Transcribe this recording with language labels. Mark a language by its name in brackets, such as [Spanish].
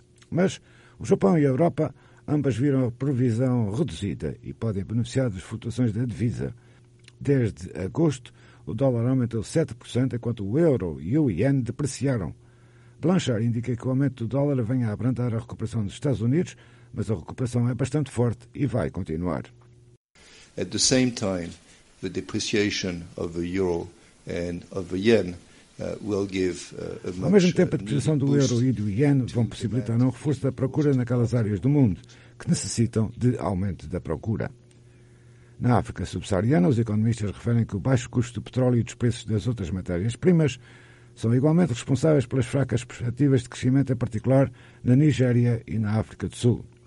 [Portuguese] Mas o Japão e a Europa ambas viram a provisão reduzida e podem beneficiar das flutuações da divisa. Desde agosto, o dólar aumentou 7%, enquanto o euro e o iene depreciaram. Blanchard indica que o aumento do dólar vem a abrandar a recuperação dos Estados Unidos, mas a recuperação é bastante forte e vai continuar. [English] At the same time, the depreciation of the euro and of the yen will give a much [Portuguese] ao mesmo tempo, a depreciação do euro e do iene vão possibilitar um reforço da procura naquelas áreas do mundo que necessitam de aumento da procura. Na África subsaariana, os economistas referem que o baixo custo do petróleo e dos preços das outras matérias-primas são igualmente responsáveis pelas fracas perspectivas de crescimento, em particular na Nigéria e na África do Sul.